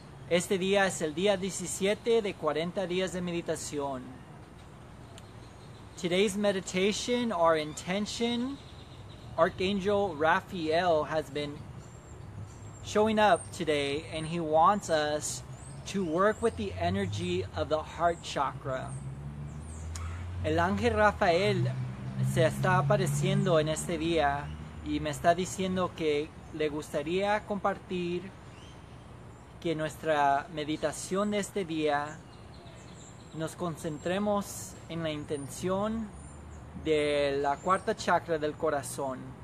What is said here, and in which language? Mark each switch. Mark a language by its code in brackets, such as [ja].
[es] Este día es el día 17 de 40 días de meditación. [en] Today's meditation, our intention, Archangel Raphael has been showing up today and he wants us to work with the energy of the heart chakra. [es] El ángel Rafael se está apareciendo en este día y me está diciendo que le gustaría compartir que nuestra meditación de este día nos concentremos en la intención de la cuarta chakra del corazón.